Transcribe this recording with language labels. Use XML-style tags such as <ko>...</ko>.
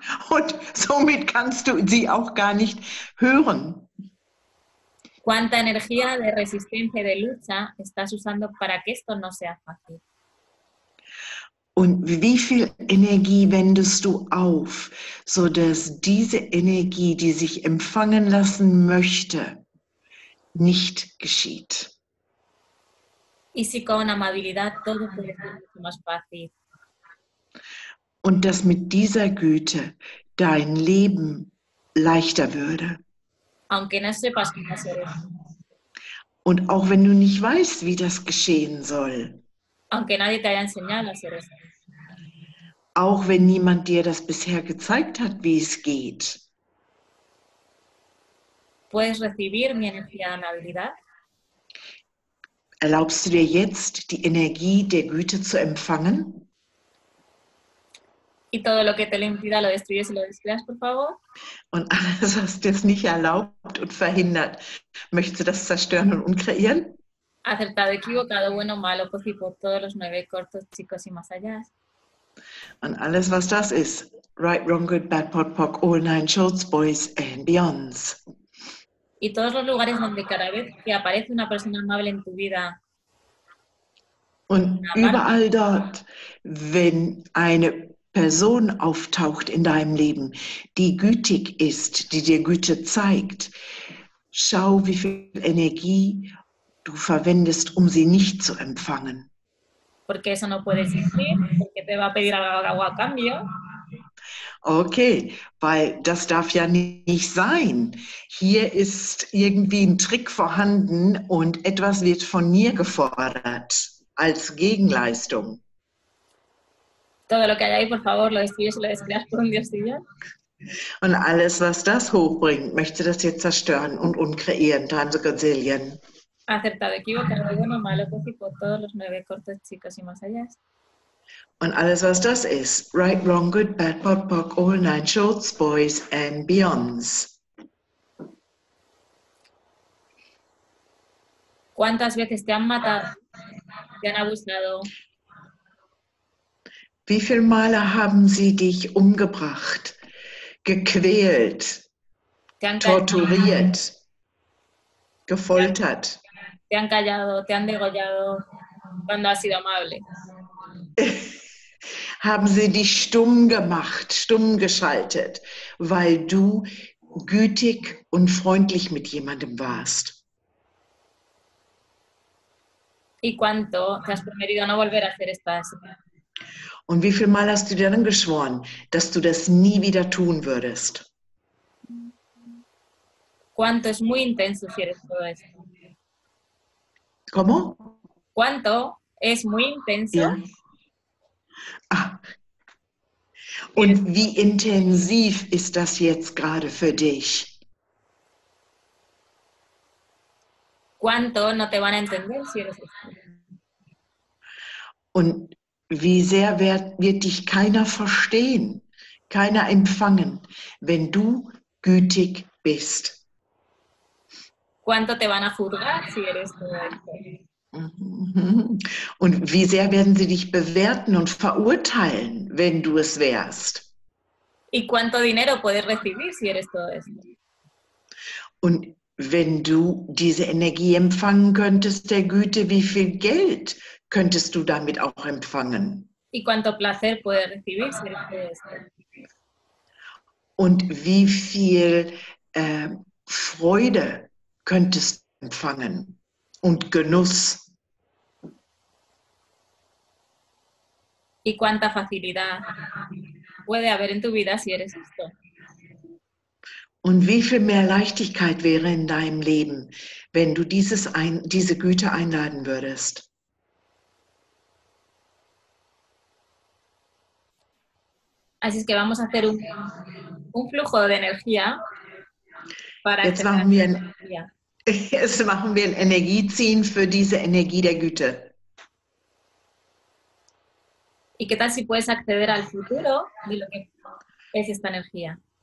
<de>Und somit kannst du sie auch gar nicht hören.</de> <es>¿Cuánta energía de resistencia y de lucha estás usando para que esto no sea fácil?</es> <de>Und wie viel Energie wendest du auf, sodass diese Energie, die sich empfangen lassen möchte, nicht geschieht?</de> <es>Y si con amabilidad todo puede ser mucho más fácil.</es> <de>Und dass mit dieser Güte dein Leben leichter würde.</de> <es>Aunque no sepas cómo hacer eso.</es> <de>Und auch wenn du nicht weißt, wie das geschehen soll.</de> <es>Aunque nadie te haya enseñado a hacer eso.</es> <de>Auch wenn niemand dir das bisher gezeigt hat, wie es geht.</de> <es>¿Puedes recibir mi energía de amabilidad?</es> <de>Erlaubst du dir jetzt, die Energie der Güte zu empfangen?</de> <es>Y todo lo que te lo impida, lo destruyes y lo destruyas, por favor.</es> <de>Und alles, was dir es nicht erlaubt und verhindert, möchtest du das zerstören und umkreieren?</de> <es>Acertado, equivocado, bueno, malo, positivo, todos los nueve cortos, chicos y más allá.</es> <de>Und alles, was das ist,</de> <en>right, wrong, good, bad, pot, pock, all nine shorts, boys and beyonds.</en> <es>Y todos los lugares donde cada vez que aparece una persona amable en tu vida.</es> <de>Und überall dort, wenn eine Person auftaucht in deinem Leben, die gütig ist, die dir Güte zeigt, schau, wie viel Energie du verwendest, um sie nicht zu empfangen.</de> <es>Porque eso no puede existir, porque te va a pedir algo a cambio.</es> <de>Okay, weil das darf ja nicht sein. Hier ist irgendwie ein Trick vorhanden und etwas wird von mir gefordert als Gegenleistung.</de> <es>Todo lo que hay ahí, por favor, lo destruyes y lo destruyas por un Dios y ya.</es> <de>Und alles, was das hochbringt, möchte das jetzt zerstören und unkreieren.</de> <en>Times a gazillion.</en> <es>Acertado, equivocado, bueno, malo, pues, y por todos los 9 cortes, chicos y más allá.</es> <de>Und alles, was das ist,</de> <en>right, wrong, good, bad, pot, pock, all nine, shorts, boys and beyonds.</en> <es>¿Cuántas veces te han matado? ¿Te han abusado?</es> <de>Wie viele Male haben sie dich umgebracht, gequält,</de> <es>te han</es> <de>torturiert, gefoltert?</de> <es>Te han callado, te han degollado, cuando has sido amable.</es> <de>Haben sie dich stumm gemacht, stumm geschaltet, weil du gütig und freundlich mit jemandem warst?</de> <es>¿Y cuánto te has permitido no volver a hacer estas?</es> <de>Und wie viel Mal hast du dir dann geschworen, dass du das nie wieder tun würdest?</de> <es>¿Cuánto es muy intenso si eres todo esto? ¿Cómo? ¿Cuánto es muy intenso?</es> <de>Ja. Und wie intensiv ist das jetzt gerade für dich?</de> <es>¿Cuánto no te van a entender si eres esto?</es> <de>Und wie sehr wird dich keiner verstehen, keiner empfangen, wenn du gütig bist?</de> <es>¿Cuánto te van a juzgar si eres todo esto?</es> <de>Und wie sehr werden sie dich bewerten und verurteilen, wenn du es wärst?</de> <es>¿Y cuánto dinero puedes recibir, si eres todo esto?</es> <de>Und wenn du diese Energie empfangen könntest, der Güte, wie viel Geld könntest du damit auch empfangen?</de> <es>¿Y cuánto placer puedes recibir, si eres todo esto?</es> <de>Und wie viel Freude könntest du empfangen? Und Genuss.</de> <es>¿Y cuánta facilidad puede haber en tu vida si eres esto?</es> <de>Und wie viel mehr Leichtigkeit wäre in deinem Leben, wenn du diese Güte einladen würdest?</de> <es>Así es que vamos a hacer un flujo de energía para</es> <de>Jetzt machen wir ein Energieziehen für diese Energie der Güte.</de> <es>¿Y qué tal si puedes acceder al futuro de lo que es esta energía?</es>